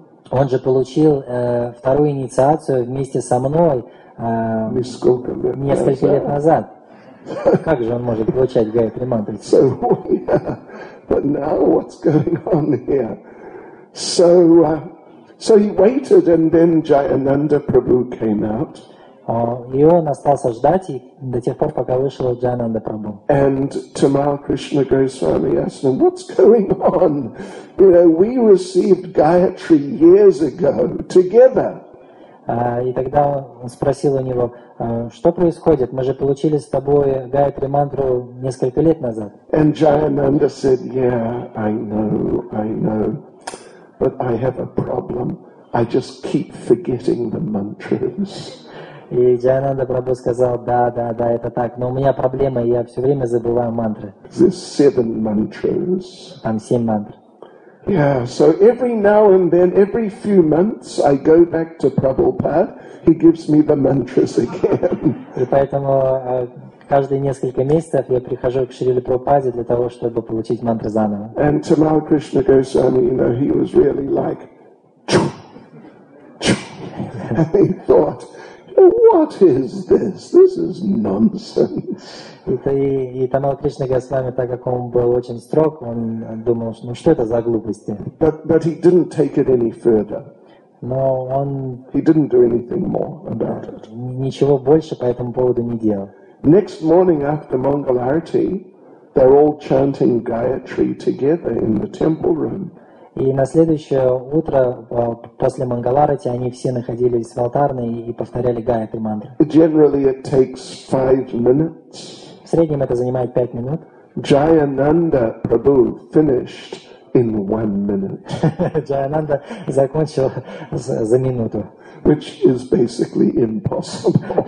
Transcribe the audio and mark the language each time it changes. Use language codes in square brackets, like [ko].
[ru] Он же получил вторую инициацию вместе со мной несколько лет назад. Как же он может получать Гаятри мантры? [en] So, but now what's going on here? So, so he waited, and then Jayananda Prabhu came out. [ru] И он остался ждать до тех пор, пока вышел Джайананда Прабху. [en] And Tamal Krishna Goswami asked him, what's going on? You know, we received Gayatri years ago together. [ru] И тогда он спросил у него, что происходит? Мы же получили с тобой Гаятри мантру несколько лет назад. [en] And Jayananda said, yeah, I know. But I have a problem. I just keep forgetting the mantras. [ru] И Джайананда Прабху сказал, да, это так. Но у меня проблема, я все время забываю мантры. [en] There's seven mantras. [ru] Там семь мантр. [en] Yeah, so every now and then, every few months, I go back to Prabhupada, he gives me the mantras again. [ru] И поэтому каждые несколько месяцев я прихожу к Шриле Прабхупаде для того, чтобы получить мантры заново. [en] And Tamal Krishna Goswami, you know, he was really like, чу. And he thought, what is this? This is nonsense. [ru] И Тамал Кришна Госвами, так как он был очень строг, он думал, ну что это за глупости? [en] But he didn't take it any further. [ru] Но он... [en] He didn't do anything more about it. [ru] Ничего больше по этому поводу не делал. [en] Next morning after Mangal Arati, they're all chanting Gayatri together in the temple room. [ru] И на следующее утро, после Мангаларати, они все находились в алтарной и повторяли Гаятри мантру. [en] Generally it takes 5 minutes. [ru] В среднем это занимает 5 минут. [en] Jayananda Prabhu finished in 1 minute. [ru] Jayananda закончил за минуту. [en] Which is basically impossible.